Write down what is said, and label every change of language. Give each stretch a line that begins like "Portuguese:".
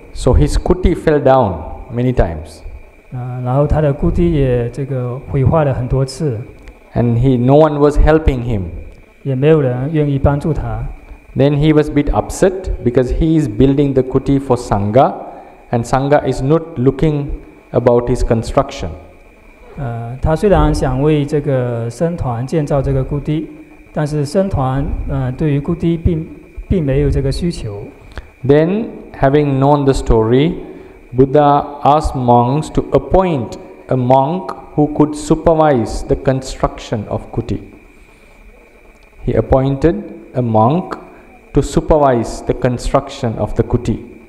English: So his kuti fell down many times.
Chinese: 然后他的孤邸也这个毁坏了很多次。
English: And no one was helping him.
Chinese: 也没有人愿意帮助他。
English: Then he was a bit upset because he is building the kuti for Sangha and Sangha is not looking about his construction.
Chinese: 他虽然想为这个僧团建造这个孤邸，但是僧团对于孤邸并没有这个需求。
English: Then, having known the story, Buddha asked monks to appoint a monk who could supervise the construction of kuti. He appointed a monk to supervise the construction of the kuti.